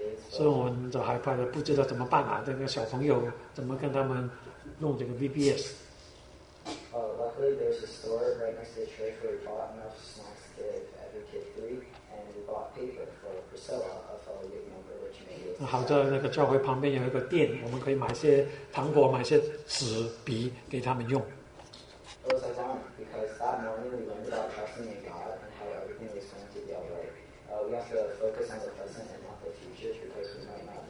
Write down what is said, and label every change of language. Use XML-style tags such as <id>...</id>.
<zh>所以我们就害怕的，不知道怎么办啊！这个小朋友怎么跟他们弄这个 VBS？</zh> <en>Luckily, there's a store right next to the church where we bought enough snacks to give every kid three, and we bought paper for Priscilla, a fellow youth member, which made it.</en> <zh>好在那个教会旁边有一个店，我们可以买些糖果，买些纸笔给他们用。</zh> <en>It was ironic because that morning we learned about trusting in God and how everything was going to be alright. We have to focus on the present and not the future because we might</en>